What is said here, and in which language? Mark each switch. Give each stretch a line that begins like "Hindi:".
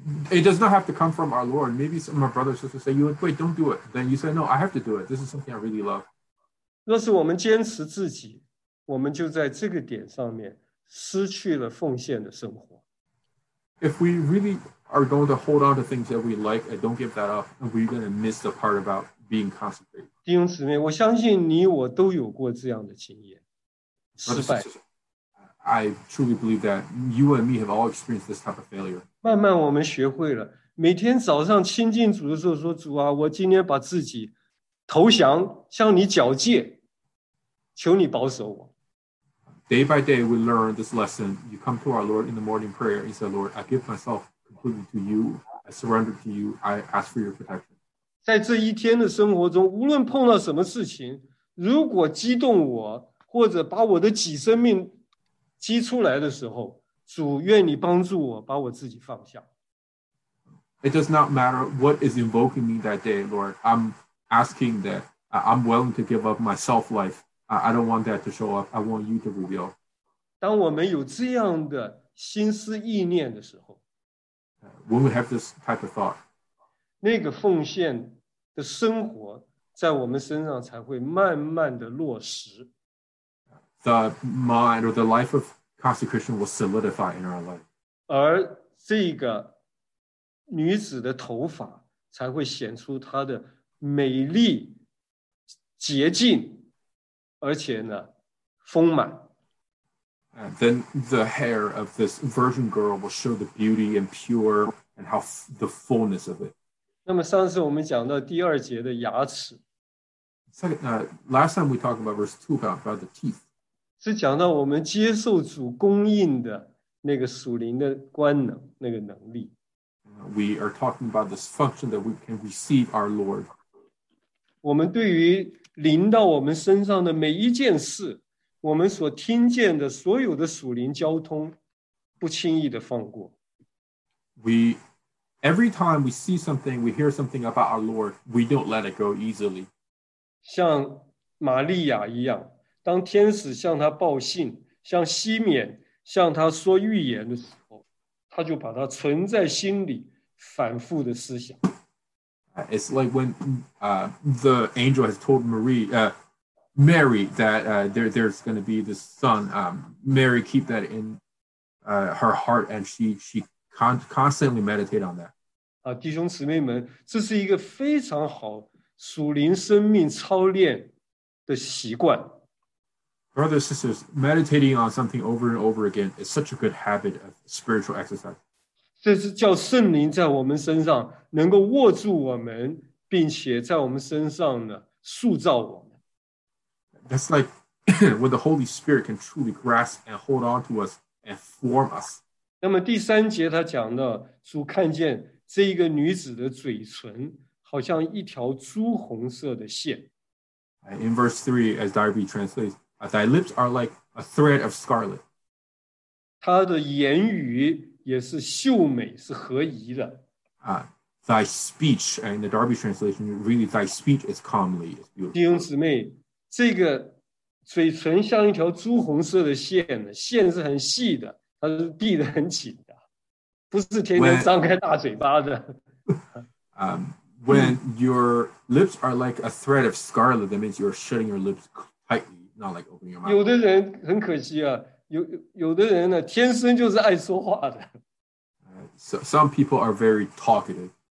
English: It does not have to come from our Lord. Maybe some of my brothers just say, wait, don't do it. Then you say, no, I have to do it. This is something I really love.
Chinese: 若是我们坚持自己，我们就在这个点上面失去了奉献的生活。
English: If we really are going to hold on to things that we like and don't give that up, we're going to miss the part about being consecrated.
Chinese: 弟兄姊妹，我相信你我都有过这样的经验，失败。
English: I truly believe that you and me have all experienced this type of failure.
Chinese: 慢慢我们学会了，每天早上亲近主的时候说，主啊，我今天把自己投降，向你缴借，求你保守我。
English: Day by day, we learn this lesson. You come to our Lord in the morning prayer and say, Lord, I give myself completely to you. I surrender to you. I ask for your protection.
Chinese: 在这一天的生活中，无论碰到什么事情，如果激动我，或者把我的己生命激出来的时候，主愿你帮助我把我自己放下。
English: It does not matter what is invoking me that day, Lord. I'm asking that I'm willing to give up my self-life. I don't want that to show up. I want you to reveal.
Chinese: 当我们有这样的心思意念的时候，
English: When we have this type of thought,
Chinese: 那个奉献的生活在我们身上才会慢慢的落实。
English: The mind or the life of consecration will solidify in our life.
Chinese: 而这个女子的头发才会显出她的美丽、洁净，而且呢，丰满。
English: And then the hair of this virgin girl will show the beauty and pure and how the fullness of it.
Chinese: 那么上次我们讲到第二节的牙齿。
English: Last time we talked about verse 2 about the teeth.
Chinese: 是讲到我们接受主供应的那个属灵的官能，那个能力。
English: We are talking about this function that we can receive our Lord.
Chinese: 我们对于临到我们身上的每一件事，我们所听见的所有的属灵交通，不轻易的放过。
English: Every time we see something, we hear something about our Lord, we don't let it go easily.
Chinese: 像玛利亚一样。当天使向他报信，向西缅向他说预言的时候，他就把它存在心里，反复的思想。
English: It's like when the angel has told Mary that there's going to be this son. Mary keep that in her heart, and she constantly meditate on that.
Chinese: 弟兄姊妹们，这是一个非常好属灵生命操练的习惯。
English: Brothers and sisters, meditating on something over and over again is such a good habit of spiritual exercise.
Chinese: 这是叫圣灵在我们身上能够握住我们，并且在我们身上呢塑造我们。
English: That's like when the Holy Spirit can truly grasp and hold on to us and form us.
Chinese: 那么第三节他讲的，主看见这一个女子的嘴唇好像一条朱红色的线。
English: In verse 3, as Darby translates,Thy lips are like a thread of scarlet.
Chinese: 他的言语也是秀美，是合宜的。
English: Thy speech, in the Darby translation, really, thy speech is comely.
Chinese: 弟兄姊妹，这个嘴唇像一条朱红色的线，线是很细的，它是闭得很紧的，不是天天张开大嘴巴的。
English: When your lips are like a thread of scarlet, that means you're shutting your lips tightly. Not like opening your mouth.
Chinese: 有的人很可惜啊，有的人呢，天生就是爱说话的。
English: Some people are very talkative.